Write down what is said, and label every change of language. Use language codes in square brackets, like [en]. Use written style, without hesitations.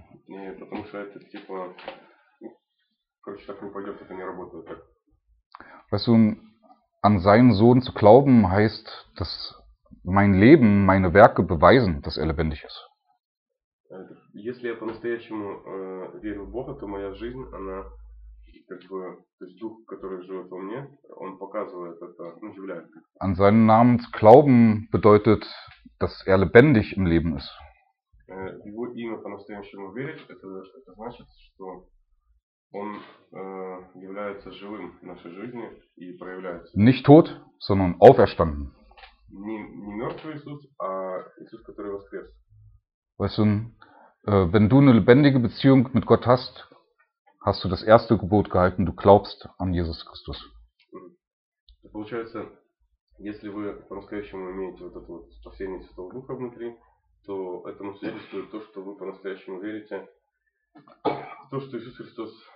[ru] Не, потому что это типа, короче, так не пойдет, это не работает так. [de] Weißt du, an seinen Sohn zu glauben heißt, dass mein Leben, meine Werke beweisen, dass er lebendig ist. [ru] Если я по-настоящему верю в Бога, то моя жизнь, она как бы, то есть Дух, который живет во мне, он показывает это, ну, является. [de] An seinen Namen zu glauben bedeutet, dass er lebendig im Leben ist. [ru] Его имя по-настоящему верить, это значит, что он является живым в нашей жизни и проявляется. [de] Nicht tot, sondern auferstanden. [ru] Не мертвый Иисус, а Иисус, который воскрес. [de] Weißt du, wenn du eine lebendige Beziehung mit Gott hast, hast du das erste Gebot gehalten, du glaubst an Jesus Christus. [ru] Получается, если вы по-настоящему имеете вот это вот спасение Святого Духа внутри, то этому свидетельствует то, что вы по-настоящему верите в то, что Иисус Христос